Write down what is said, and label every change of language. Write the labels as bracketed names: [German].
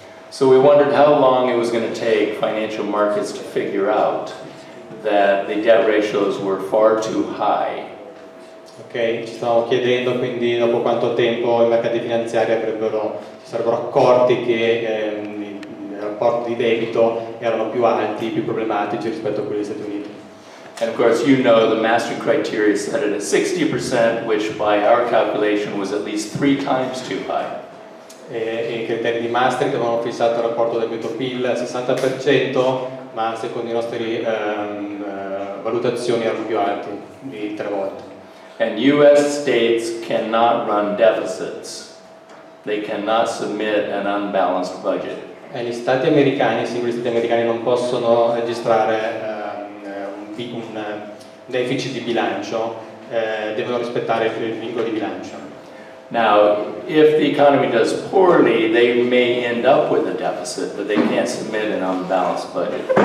[English] So we wondered how long it was going to take financial markets to figure out that the debt ratios were far too high. [Italian] Ok, ci stavamo chiedendo quindi dopo quanto tempo i mercati finanziari si sarebbero accorti che i rapporti di debito erano più alti, più problematici rispetto a quelli degli Stati Uniti. [English] And of course, you know the Maastricht criteria set it at 60%, which by our calculation was at least three times too high. [Italian] E i criteri di Maastricht avevano fissato il rapporto debito PIL al 60%, ma secondo i nostri valutazioni erano più alti di tre volte. [English] And US states cannot run deficits. They cannot submit an unbalanced budget. [Italian] E gli stati americani, i singoli stati americani non possono registrare un deficit di bilancio, devono rispettare il vincolo di bilancio. [English] Now, if the economy does poorly, they may end up with a deficit, but they can't submit an unbalanced budget.